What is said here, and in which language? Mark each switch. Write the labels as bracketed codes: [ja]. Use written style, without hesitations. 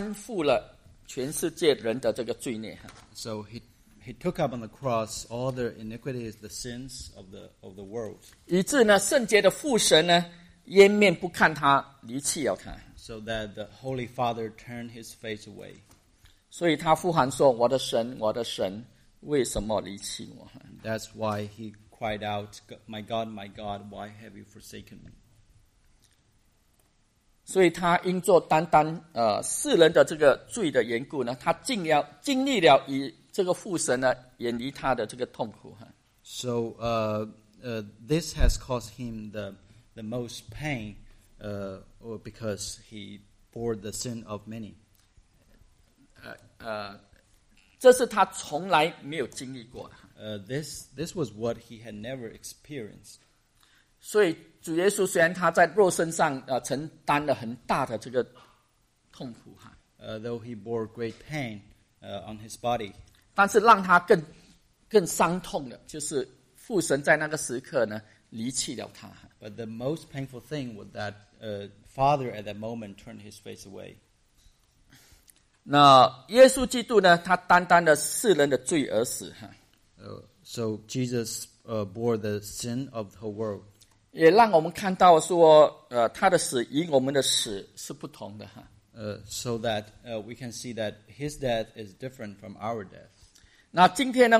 [zh] 那么耶稣呢，在十字架上担负了全世界人的这个罪孽。 [en] So he took up on the cross all the iniquities, the sins of the world. [zh] 以致呢，圣洁的父神呢，掩面不看他，离弃了他。 [en] So that the Holy Father turned his face away. [zh] 所以他呼喊说, 我的神, 我的神, 为什么离弃我? [en] That's why he cried out, my God, why have you forsaken me? [zh] 所以他因着担当, 世人的这个罪的缘故呢, 他尽了, 经历了以这个父神呢, 远离他的这个痛苦。 [en] So this has caused him the most pain because he bore the sin of many. [zh] 这是他从来没有经历过的。 [en] This was what he had never experienced. [zh] 所以主耶稣虽然他在肉身上 承担了很大的这个痛苦。 [en] Though he bore great pain on his body. [zh] 但是让他更伤痛的就是父神在那个时刻呢离弃了他。 [en] But the most painful thing was that Father at that moment turned his face away. [zh] 那耶稣基督呢，他担当了世人的罪而死。 [en] So Jesus bore the sin of the whole world. [zh] 也让我们看到说，他的死与我们的死是不同的。 [en] So that we can see that his death is different from our death.